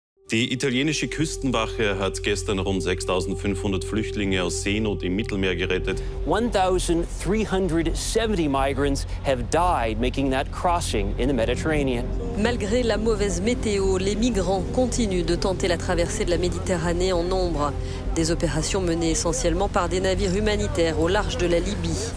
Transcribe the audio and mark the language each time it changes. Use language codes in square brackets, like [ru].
[de] Die italienische Küstenwache hat gestern rund 6.500 Flüchtlinge aus Seenot im Mittelmeer gerettet. [en] 1.370 migrants have died making that crossing in the Mediterranean. [fr] Malgré la mauvaise météo, les migrants continuent de tenter la traversée de la Méditerranée en nombre. Des opérations menées essentiellement par des navires humanitaires au large de la Libye.